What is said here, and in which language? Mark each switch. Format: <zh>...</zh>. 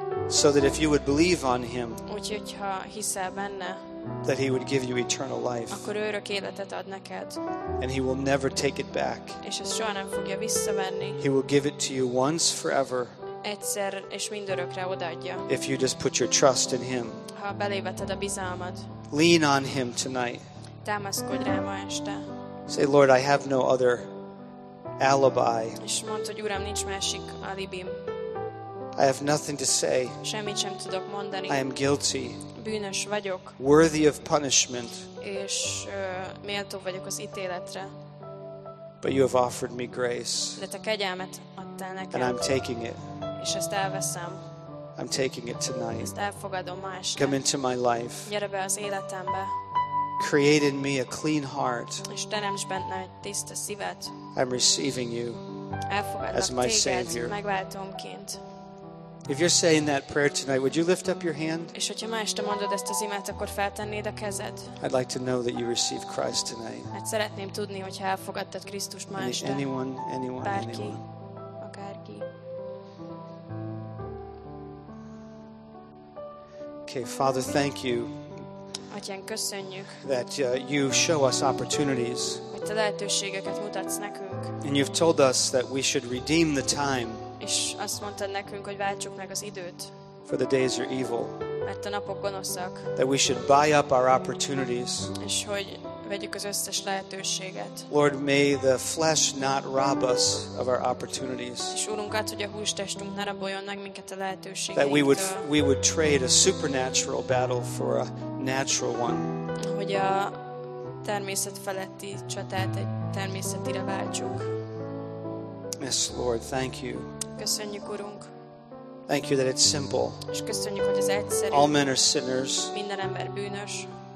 <en>so that if you would believe on him,</en> <hu>hogyha hiszel benne,</hu> <en>that he would give you eternal life,</en> <hu>akkor örök életet ad neked,</hu> <en>and he will never take it back,</en> <hu>és ezt soha nem fogja visszavenni,</hu> <en>he will give it to you once forever,</en> <hu>egyszer és mindörökre odaadja,</hu> <en>if you just put your trust in him,</en> <hu>ha beléveted a bizalmad,</hu> <en>lean on him tonight,</en> <hu>támaszkodj rá ma este,</hu> <en>say Lord I have no other alibi,</en> <hu>és mondd, hogy Uram nincs másik alibim,</hu> <en>I have nothing to say.</en> <hu>Semmit sem tudok mondani.</hu> <en>I am guilty.</en> <hu>Bűnös vagyok.</hu> <en>Worthy of punishment.</en> <hu>És méltó vagyok az ítéletre.</hu> <en>But you have offered me grace.</en> <hu>De te kegyelmet adtál nekem.</hu> <en>And I'm taking it.</en> <hu>És ezt elveszem.</hu> <en>I'm taking it tonight.</en> <hu>Ezt elfogadom ma este.</hu> <en>Come into my life.</en> <hu>Gyere be az életembe.</hu> <en>Create in me a clean heart.</en> <hu>És teremts bennem egy tiszta szívet.</hu> <en>I'm receiving you as my Savior.</en> <hu>Elfogadlak téged megváltómként.</hu> <en>If you're saying that prayer tonight, would you lift up your hand?</en> <hu>És hogyha ma este mondod ezt az imát, akkor feltennéd a kezed?</hu> <en>I'd like to know that you received Christ tonight.</en> <hu>Hát szeretném tudni, hogy elfogadtad Krisztust ma este.</hu> <en>Anyone,</en> <hu>bárki,</hu> <en>anyone.</en> <hu>Akárki.</hu> <en>Okay, Father, thank you.</en> <hu>Atyán, köszönjük.</hu> <en>That you show us opportunities.</en> <hu>Hogy te lehetőségeket mutatsz nekünk.</hu> <en>And you've told us that we should redeem the time.</en> <hu>És azt mondtad nekünk, hogy váltsuk meg az időt.</hu> <en>For the days are evil.</en> <hu>Mert a napok gonoszak.</hu> <en>That we should buy up our opportunities.</en> <hu>És hogy vegyük az összes lehetőséget.</hu> <en>Lord, may the flesh not rob us of our opportunities.</en> <hu>És úrunk, hát, hogy a hústestünk ne raboljon meg minket a lehetőségeinktől.</hu> <en>That we would trade a supernatural battle for a natural one.</en> <hu>Hogy a természet feletti csatát egy természetire váltsuk.</hu> <en>Yes, Lord, thank you.</en> <hu>Köszönjük, Urunk.</hu> <en>Thank you that it's simple.</en> <hu>És köszönjük, hogy ez egyszerű.</hu> <en>All men are sinners.</en> <hu>Minden ember bűnös.</hu>